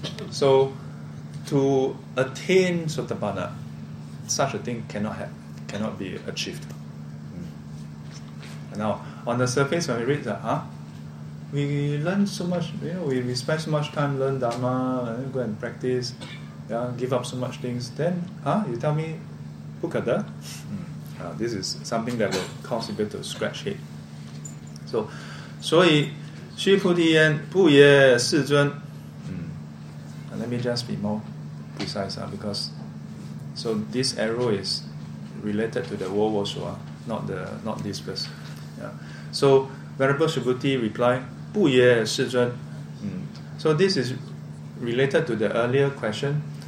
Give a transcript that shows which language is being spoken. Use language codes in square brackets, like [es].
[en] So to attain sotapanna, such a thing cannot be achieved. Now on the surface when we read that, we learn so much, you know, we spend so much time learn Dharma, go and practice, yeah, give up so much things. Then, you tell me, pukkada? This is something that will cause people to scratch head. [zh] So, 须菩提言，不也世尊。 [en] Let me just be more precise, because so this arrow is related to the world also, not this verse. Yeah. So Venerable Subhuti reply, [zh] 不也世尊。 [en] So this is related to the earlier question.